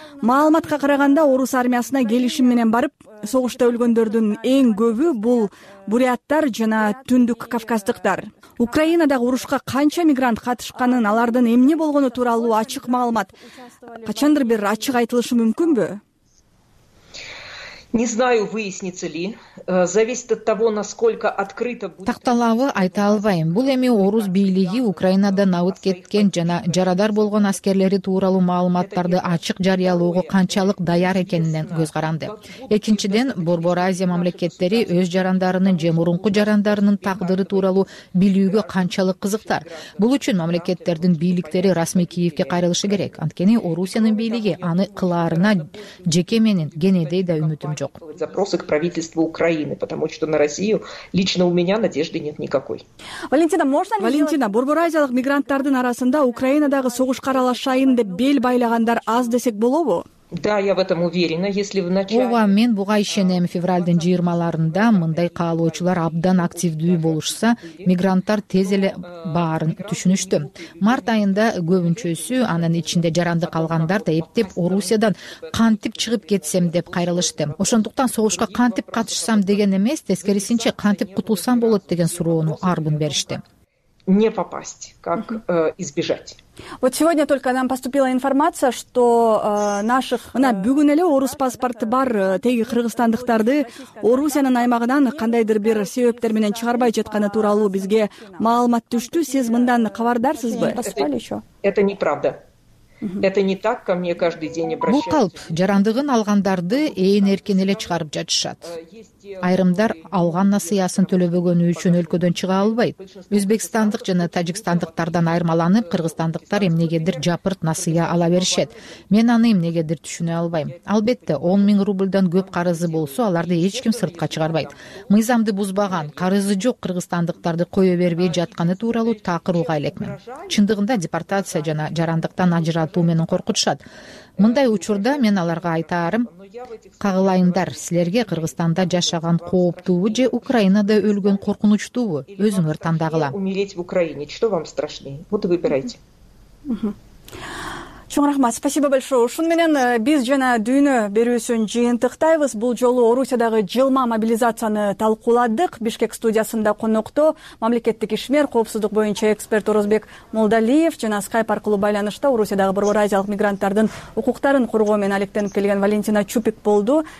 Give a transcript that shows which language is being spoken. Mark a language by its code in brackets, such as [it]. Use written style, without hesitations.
[ky] Маалыматка караганда орус армиясына келишим менен барып согушта өлгөндөрдүн эң көбү бул буряттар жана түндүк кавказдыктар. Украинадагы урушка канча мигрант катышканын, алардын эмне болгону тууралуу ачык маалымат качандыр бир ачык айтылышы мүмкүнбү? [ru] Не знаю, выяснится ли. Зависит от того, насколько открыто будет. [ky] Такталабы айта албайм. Бул эми орус бийлиги Украинада набыт кеткен жана жарадар болгон аскерлери тууралуу маалыматтарды ачык жарыялоого канчалык даяр экенинен көз каранды. Экинчиден, Борбор Азия мамлекеттери өз жарандарынын же мурунку жарандарынын тагдыры тууралуу билүүгө канчалык кызыктар. Бул үчүн мамлекеттердин бийликтери расмий Киевке кайрылышы керек. Анткени Орусиянын бийлиги аны кылаарына жеке менен генедей да үмүт жок. [ru] Запросы к правительству Украины, потому что на Россию лично у меня надежды нет никакой. Валентина, можно ли... [ky] Валентина, борбуразиялык мигранттардын арасында Украинадагы согушка аралашайын деп бел байлагандар аз десек болобу? [ru] Да, я в этом уверена. Если в начале... [ky] Ооба, мен буга ишенем. Февральдын 20-ларында мындай каалоочулар абдан активдүү болушса, мигранттар тез эле баарын түшүнүштү. Март айында көбүнчөсү, анын ичинде жарандык алгандар да эптеп Орусиядан кантип чыгып кетсем деп кайрылышты. Ошондуктан согушка кантип катышсам деген эмес, тескерисинче кантип кутулсам болот деген суроону арбын беришти. [ru] Не попасть, как избежать. Вот сегодня только нам поступила информация, что наших... [ky] Мына бүгүн эле орус паспорт бар теги кыргызстандыктарды Орусиянын аймагынан кандайдыр бир себептер менен чыгарбай жатканы тууралуу бизге маалымат түштү. Сиз мындан кабардарсызбы? [ru] Это неправда. Это не так, ко мне каждый день обращаются. [ky] Бул калп, жарандыгын алгандарды ээн эркин эле чыгарып жатышат. Айрымдар алган насыясын төлөбөгөнү үчүн өлкөдөн чыга албайт. Өзбекстандык жана тажикстандыктардан айырмаланып, кыргызстандыктар эмнегедир жапырт насыя ала беришет. Мен аны эмнегедир түшүнө албайм. Албетте, 10,000 рубльдан көп карызы болсо, аларды эч ким сыртка чыгарбайт. Мыйзамды бузбаган, карызы жок кыргызстандыктарды кое бербей жатканы тууралуу такыр уга элекмин. Чындыгында депортация жана жарандыктан ажыратуу менен коркутушат. Мындай учурда мен аларга айтаарым: кагылайындар, силерге Кыргызстанда жашаган кооптуубу же Украинада өлгөн коркунучтуубу? Өзүңөр тандагыла. [ru] Умереть в Украине, что вам страшнее? Вот и выбирайте. [ky] Чоң рахмат, [ru] спасибо большое. [ky] Ушун менен биз жана дүйнө берүүсүн жыйынтыктайбыз. Бул жолу Орусиядагы жылма мобилизацияны талкууладык. Бишкек студиясында конокто мамлекеттик ишмер, коопсуздук боюнча эксперт Орозбек Молдалиев жана Skype аркылуу байланышта Орусиядагы борбор азиялык мигранттардын укуктарын коргоо менен алектенип келген Валентина Чупик болду.